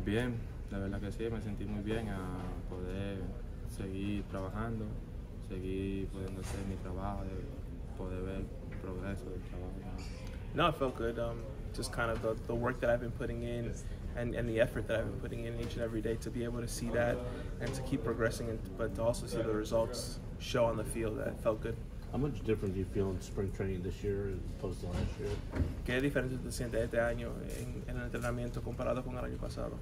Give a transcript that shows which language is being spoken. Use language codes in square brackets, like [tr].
[es] Bien, la verdad que sí, me sentí muy bien a poder seguir trabajando, seguir pudiendo hacer mi trabajo, poder ver progreso del trabajo. [en] No, I felt good. Just kind of the work that I've been putting in and the effort that I've been putting in each and every day to be able to see that and to keep progressing, and but to also see the results show on the field, that felt good. How much different do you feel in spring training this year as opposed to last year? [es] ¿Qué diferencia te sientes este año en el entrenamiento comparado con el año pasado?